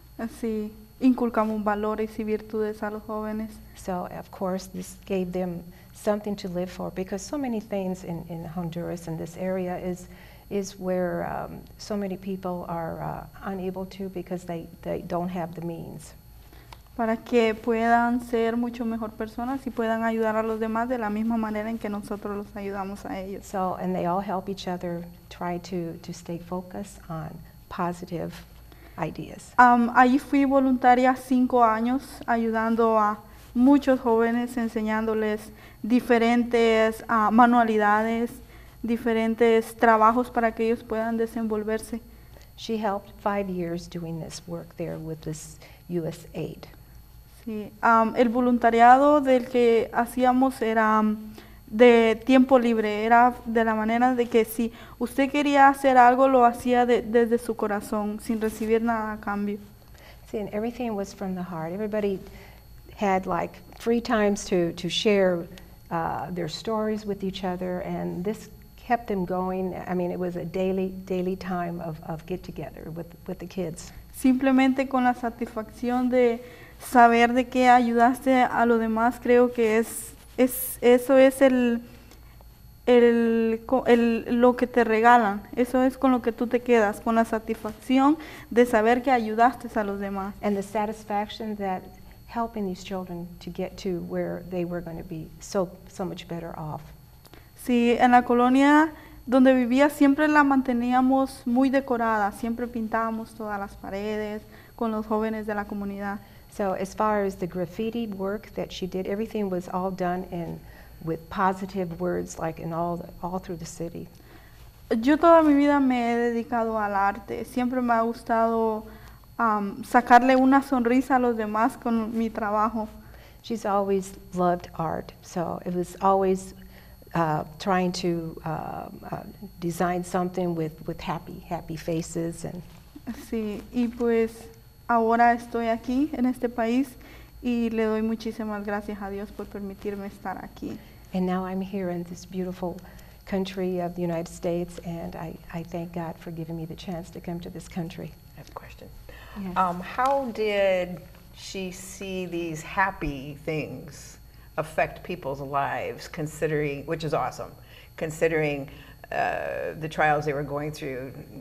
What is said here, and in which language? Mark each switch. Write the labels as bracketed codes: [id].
[es] Sí, inculcamos valores y virtudes a los jóvenes. [en] So of course this gave them something to live for, because so many things in Honduras and this area is where so many people are unable to, because they don't have the means. [es] Para que puedan ser mucho mejor personas y puedan ayudar a los demás de la misma manera en que nosotros los ayudamos a ellos. [en] So, and they all help each other try to stay focused on positive ideas. [es] Allí fui voluntaria 5 años ayudando a muchos jóvenes, enseñándoles diferentes manualidades, diferentes trabajos para que ellos puedan desenvolverse. [en] She helped 5 years doing this work there with this USAID. [es] El voluntariado del que hacíamos era de tiempo libre, era de la manera de que si usted quería hacer algo, lo hacía desde su corazón, sin recibir nada a cambio. [en] See, and everything was from the heart. Everybody had like 3 times to share their stories with each other, and this kept them going. I mean, it was a daily time of get-together with the kids. [es] Simplemente con la satisfacción de saber de qué ayudaste a los demás, creo que eso es lo que te regalan. Eso es con lo que tú te quedas, con la satisfacción de saber que ayudaste a los demás. [en] And the satisfaction that helping these children to get to where they were going to be so much better off. [es] Sí, en la colonia donde vivía siempre la manteníamos muy decorada, siempre pintábamos todas las paredes con los jóvenes de la comunidad. [en] So as far as the graffiti work that she did, everything was all done in with positive words, like in all through the city. [es] Yo toda mi vida me he dedicado al arte. Siempre me ha gustado sacarle una sonrisa a los demás con mi trabajo. [en] She's always loved art, so it was always trying to design something with happy faces and. [es] Sí, y pues ahora estoy aquí en este país y le doy muchísimas gracias a Dios por permitirme estar aquí. [en] And now I'm here in this beautiful country of the United States, and I thank God for giving me the chance to come to this country. I have a question. Yes. How did she see these happy things affect people's lives, considering, which is awesome, considering the trials they were going through?